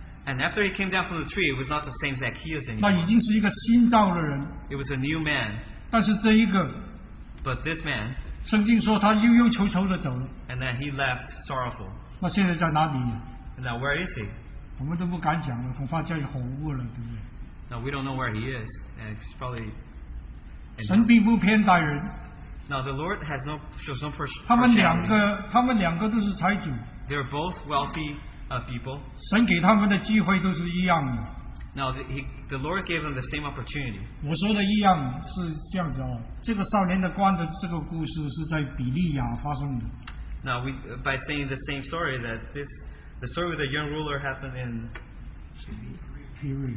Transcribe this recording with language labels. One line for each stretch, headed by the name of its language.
English: And after he came down from the tree, it was not the same Zacchaeus anymore.
Chinese: 那已经是一个新造的人,
English: it was a new man.
Chinese: 但是这一个,
English: but this man,
Chinese: 圣经说他悠悠愁愁地走了,
English: and then he left sorrowful.
Chinese: 那现在在哪里?
English: And now where is he?
Chinese: 我们都不敢讲了, 恐怕叫红物了, 对不对?
English: Now we don't know where he is. And he's probably...
Chinese: 神并不偏待人。
English: Now the Lord has no, shows no partiality. They're both wealthy of people.
Chinese: 神给他们的机会都是一样的。
English: Now the Lord gave them the same opportunity.
Chinese: 我说的一样是这样子哦, 这个少年的官的这个故事是在比利亚发生的。
English: Now we, by saying the same story, that this, the story with the young ruler happened in